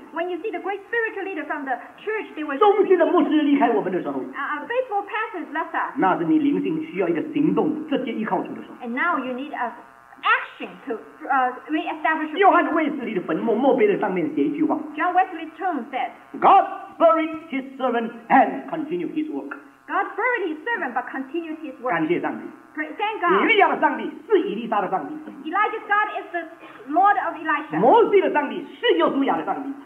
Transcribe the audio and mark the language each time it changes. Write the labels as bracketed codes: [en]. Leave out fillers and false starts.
[en] when you see the great spiritual leader from the church, they were [zh] 忠心的牧师离开我们的时候， [en] a faithful pastor left us. [zh] 那是你灵性需要一个行动，直接依靠主的时候。 [en] And now you need a action to reestablish. [zh] 约翰·威斯利的坟墓墓碑的上面写一句话， [en] John Wesley's tomb said, God buried his servant and continued his work. God buried his servant but continued his work. [zh] 感谢上帝。 [en] Thank God. [zh] 以利亚的上帝是以利沙的上帝。 [en] Elijah's God is the Lord of Elisha. [zh] 摩西的上帝是约书亚的上帝。